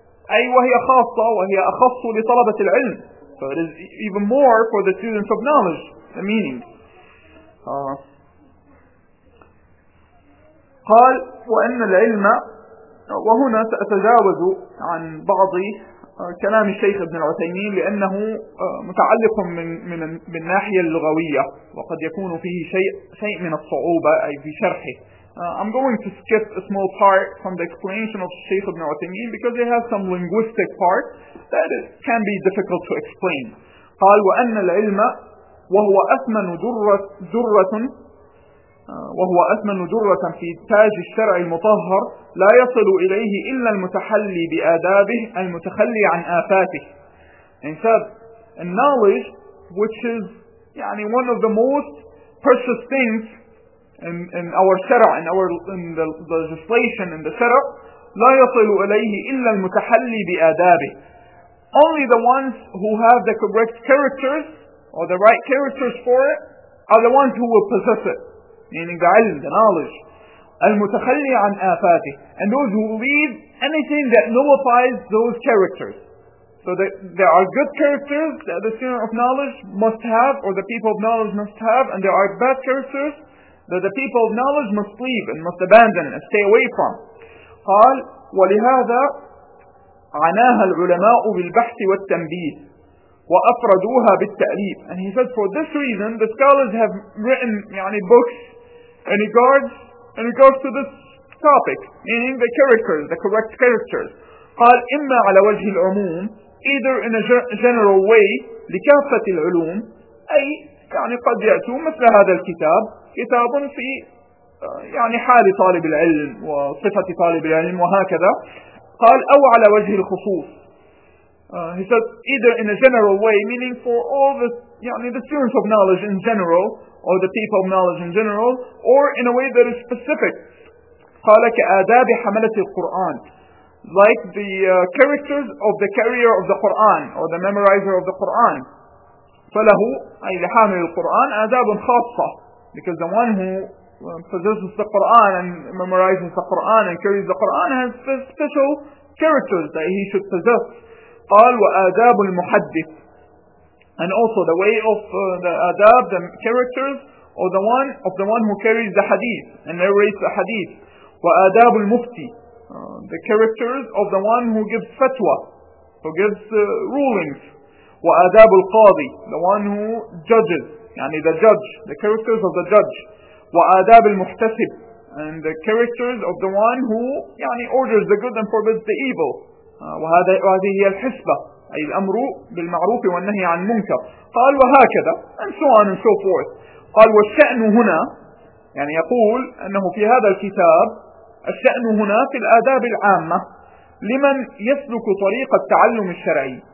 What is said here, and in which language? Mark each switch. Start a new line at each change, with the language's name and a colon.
Arabic: أي وهي خاصة وهي أخص لطلبة العلم.
English: So it is even more for the students of knowledge, the meaning.
Arabic: قال وأن العلم وهنا سأتجاوز عن بعض كلام الشيخ ابن العثيمين لأنه متعلق من الناحية اللغوية وقد يكون فيه شيء من الصعوبة أي في شرحه.
English: I'm going to skip a small part from the explanation of Shaykh ibn Uthaymeen because it has some linguistic part that can be difficult to explain.
Arabic: قال وأن العلم وهو أثمن ذرة وهو أثمن ذرة في تاج الشرع المطهر لا يصل إليه إلا المتحلي بآدابه المتخلي عن آفاته.
English: And said, and knowledge, which is one of the most precious things in our shara, in the legislation, in the shara,
Arabic: لا يصل إليه إلا المتحلي بآدابه.
English: Only the ones who have the correct characters or the right characters for it are the ones who will possess it, meaning the علم, the knowledge.
Arabic: المتخلي عن آفاته,
English: and those who leave anything that nullifies those characters. So there are good characters that the student of knowledge must have, or the people of knowledge must have, and there are bad characters that the people of knowledge must leave and must abandon and stay away from.
Arabic: قال ولهذا عناها العلماء بالبحث والتنبيه وأفردوها بالتأليف.
English: And he said, for this reason, the scholars have written books in regards to this topic, meaning the characters, the correct characters.
Arabic: قال إما على وجه العموم,
English: either in a general way,
Arabic: لكافة العلوم, أي قد يأتوا مثل هذا الكتاب, كتاب في حال طالب العلم وصفة طالب العلم وهكذا. قال أو على وجه الخصوص.
English: He said, either in a general way, meaning for all the the students of knowledge in general, or the people of knowledge in general, or in a way that is specific.
Arabic: قال كآداب حملة القرآن,
English: like the characters of the carrier of the Quran or the memorizer of the Quran.
Arabic: فله أي لحامل القرآن آداب خاصة,
English: because the one who possesses the Quran and memorizes the Quran and carries the Quran has special characters that he should possess.
Arabic: قال وآداب المحدث,
English: and also the way of the adab, the characters of the one who carries the hadith and narrates the hadith.
Arabic: وآداب المفتي,
English: the characters of the one who gives fatwa, who gives rulings.
Arabic: وآداب القاضي,
English: the one who judges, the judge, the characters of the judge.
Arabic: وآداب المحتسب,
English: and the characters of the one who orders the good and forbids the evil.
Arabic: وهذه هي الحسبة, أي الأمر بالمعروف والنهي عن المنكر. قال وهكذا,
English: and so on and so forth.
Arabic: قال والشأن هنا, يقول أنه في هذا الكتاب الشأن هنا في الآداب العامة لمن يسلك طريق التعلم الشرعي.